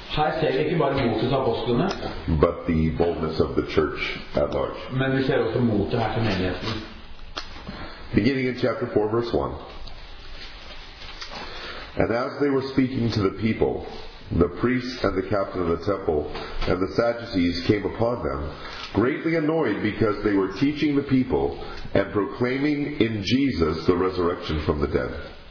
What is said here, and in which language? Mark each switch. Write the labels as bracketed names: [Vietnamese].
[Norwegian] her ser vi ikke bare motet av apostlene, [English] but the boldness of the church at large. [Norwegian] Men vi ser også motet her til menigheten. [English] Beginning in chapter 4, verse 1. And as they were speaking to the people, the priests and the captain of the temple and the Sadducees came upon them, greatly annoyed because they were teaching the people and proclaiming in Jesus the resurrection from the dead.